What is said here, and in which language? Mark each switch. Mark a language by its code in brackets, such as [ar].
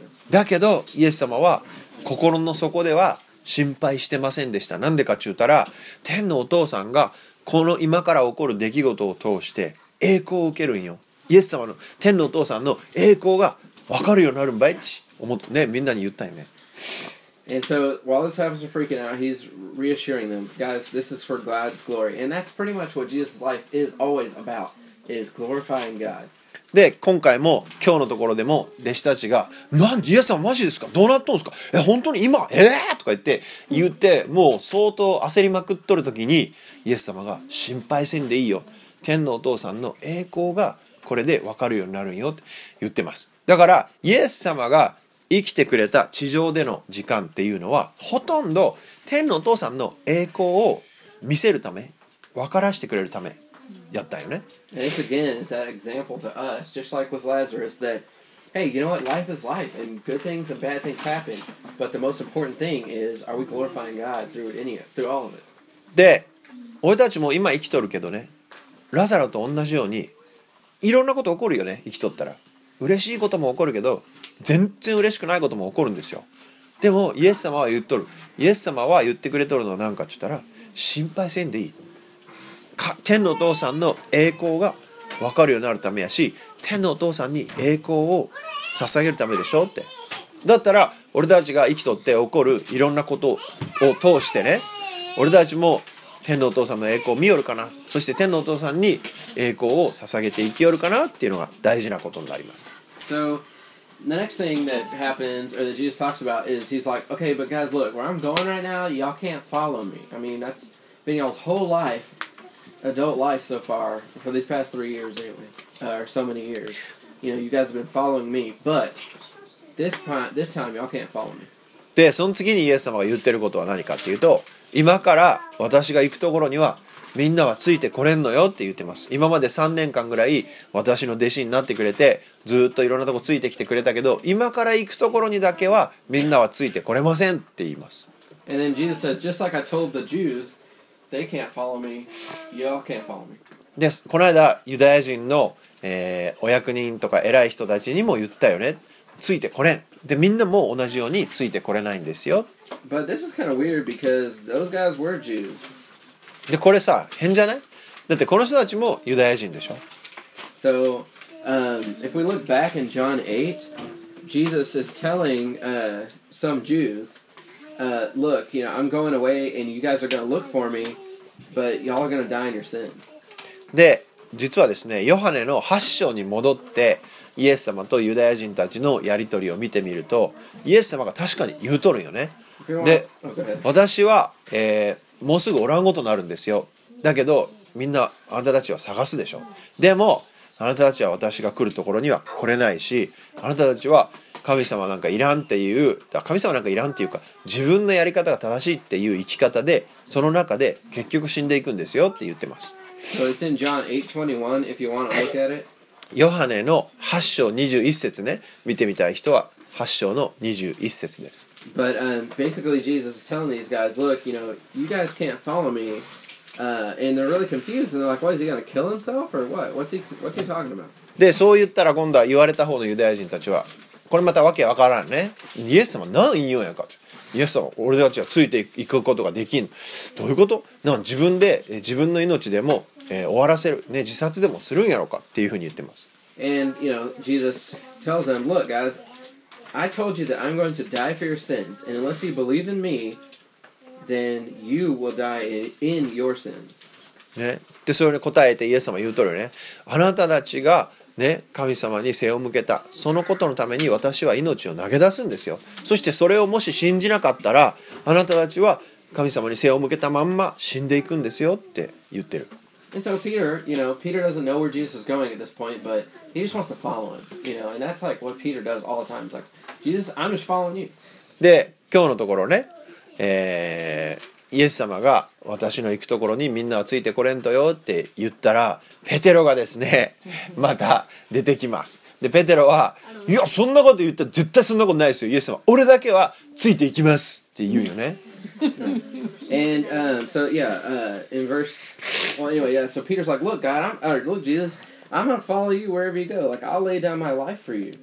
[ja] だけどイエス様は心の底では心配してませんでした。なんでかって言ったら、天のお父さんがこの今から起こる出来事を通して栄光を受けるんよ。イエス様の、天のお父さんの栄光が分かるようになるんばいち思って、ね、みんなに言ったよね。 [en] And so while the disciples are freaking out, he's reassuring them, guys, this is for God's glory. And that's pretty much what Jesus' life is always about, is glorifying God. [ja] で、今回も今日のところでも弟子たちが、なんでイエス様マジですか？どうなっとんですか？え、本当に今？とか言って、もう相当焦りまくっとる時に、イエス様が心配せんでいいよ。天のお父さんの栄光がこれでわかるようになるよって言ってます。だからイエス様が生きてくれた地上での時間っていうのはほとんど天のお父さんの栄光を見せるため、分からせてくれるためやったよね。 [en] This again is that example to us, just like with Lazarus, that hey, you know what? Life is life, and good things and bad things happen. But the most important thing is, are we glorifying God through all of it? [ja] で、俺たちも今生きとるけどね、ラザロと同じようにいろんなこと起こるよね、生きとったら。嬉しいことも起こるけど、全然嬉しくないことも起こるんですよ。でもイエス様は言っとる。イエス様は言ってくれとるのは何かって言ったら、心配せんでいい。天のお父さんの栄光が分かるようになるためやし、天のお父さんに栄光を捧げるためでしょって。だったら俺たちが生きとって起こるいろんなことを通してね、俺たちも天のお父さんの栄光を見よるかな、そして天のお父さんに栄光を捧げていきよるかなっていうのが大事なことになります。 [en] So the next thing that happens or that Jesus talks about is he's like, okay, but guys, look, where I'm going right now, y'all can't follow me. I mean, that's been y'all's whole life, adult life so far, for these past 3 years anyway, or so many years. You know, you guys have been following me, but this time y'all can't follow me. [ja] で、その次にイエス様が言ってることは何かっていうと、今から私が行くところにはみんなはついてこれんのよって言ってます。今まで3年間ぐらい私の弟子になってくれて、ずっといろんなとこついてきてくれたけど、今から行くところにだけはみんなはついてこれませんって言います。 [en] And then Jesus says, just like I told the Jews, they can't follow me, y'all can't follow me. [ja] で、この間ユダヤ人の、お役人とか偉い人たちにも言ったよね。ついてこれん。で、みんなも同じようについてこれないんですよ。 [en] But this is kind of weird because those guys were Jews. [ja] で、これさ、変じゃない？だってこの人たちもユダヤ人でしょ。 [en] So, if we look back in John 8, Jesus is telling some Jews, look, you know, I'm going away and you guys are going to look for me, but y'all are going to die in your sin. [ja] で、実はですね、ヨハネの8章に戻って、イエス様とユダヤ人たちのやり取りを見てみると、イエス様が確かに言うとるよね。で、私は、もうすぐおらんことになるんですよ。だけどみんなあなたたちは探すでしょ。でもあなたたちは私が来るところには来れないし、あなたたちは神様なんかいらんっていう、神様なんかいらんっていうか、自分のやり方が正しいっていう生き方で、その中で結局死んでいくんですよって言ってます。 [en] So it's in John 8:21 if you want to look at it。 [ja] ヨハネの8章21節ね、見てみたい人は8章の21節です。 [en] But basically Jesus is telling these guys, look, you know, you guys can't follow me. And they're really confused. And they're like, what, is he going to kill himself or what? What's he talking about? [ja] で、そう言ったら今度は言われた方のユダヤ人たちは、これまたわけわからんね。イエス様何言うんやか。イエス様、俺たちはついていくことができん。どういうこと？なん自分で自分の命でも、終わらせる、ね、自殺でもするんやろかっていうふうに言ってます。 [en] And, you know, Jesus tells them, look, guys, I told you that I'm going to die for your sins, and unless you believe in me, then you will die in your sins. [ja] ね、でそれに答えてイエス様言うとるよね。あなたたちが、ね、神様に背を向けたそのことのために私は命を投げ出すんですよ。そしてそれをもし信じなかったらあなたたちは神様に背を向けたまんま死んでいくんですよって言ってる。 [en] And so Peter, you know, Peter doesn't know where Jesus is going at this point, but he just wants to follow him, you know, and that's like what Peter does all the time. It's like, Jesus, I'm just following you. [ja] で今日のところね、イエス様が私の行くところにみんなはついてこれんとよって言ったらペテロがですねまた出てきます。でペテロはいやそんなこと言ったら絶対そんなことないですよイエス様、俺だけはついていきますって言うよね。 [en] And so yeah, in verse, well anyway, yeah, so Peter's like, look God, look Jesus, I'm gonna follow you wherever you go, like I'll lay down my life for you.